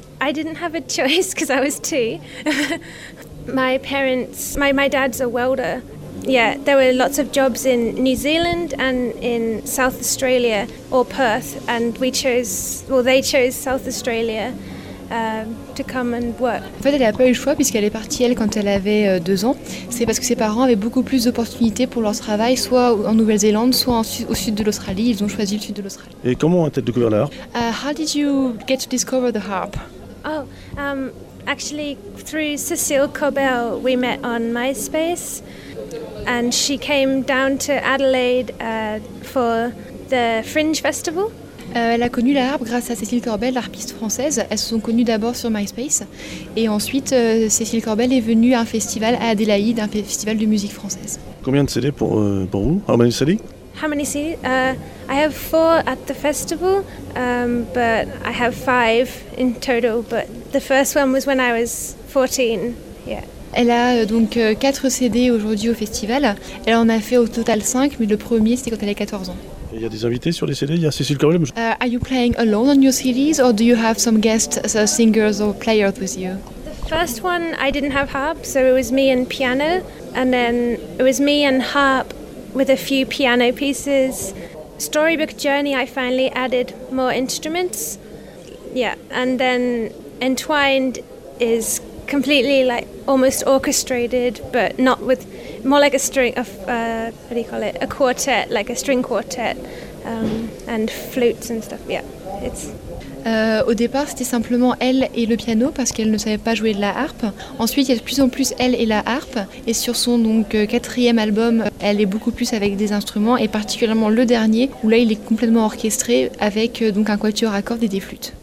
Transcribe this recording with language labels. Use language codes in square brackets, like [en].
[en] I didn't have a choice because I was two. My dad's a welder. Yeah, there were lots of jobs in New Zealand and in South Australia or Perth, and they chose South Australia to come and work. [fr] En fait, elle n'a pas eu le choix puisqu'elle est partie elle quand elle avait 2 ans. C'est parce que ses parents avaient beaucoup plus d'opportunités pour leur travail, soit en Nouvelle-Zélande, soit au sud de l'Australie. Ils ont choisi le sud de l'Australie. Et comment a-t-elle découvert la harpe? [en] How did you get to discover the harp? Oh, actually, through Cécile Cobell, we met on MySpace. And she came down to Adelaide for the Fringe Festival. [fr] Elle a connu la harpe grâce à Cécile Corbel, l'harpiste française. Elles se sont connues d'abord sur MySpace. Et ensuite, Cécile Corbel est venue à un festival à Adélaïde, un festival de musique française. Combien de CD pour vous? [en] How many CD? How many CD? I have 4 at the festival, but I have 5 in total. But the first one was when I was 14, yeah. [fr] Elle a donc 4 CD aujourd'hui au festival. Elle en a fait au total 5, mais le premier c'était quand elle avait 14 ans. Il y a des invités sur les CD, il y a Cécile Corbel. [en] Are you playing alone on your CDs or do you have some guests, singers or players with you? The first one I didn't have harp, so it was me and piano. And then it was me and harp with a few piano pieces. Storybook Journey, I finally added more instruments. Yeah, and then Entwined is completely like almost orchestrated, but not with more like a string of what do you call it, a quartet, like a string quartet, and flutes and stuff. Yeah, it's [fr] Au départ, c'était simplement elle et le piano parce qu'elle ne savait pas jouer de la harpe. Ensuite, il y a de plus en plus elle et la harpe. Et sur son donc 4e album, elle est beaucoup plus avec des instruments, et particulièrement le dernier où là, il est complètement orchestré avec donc un quatuor à cordes et des flûtes.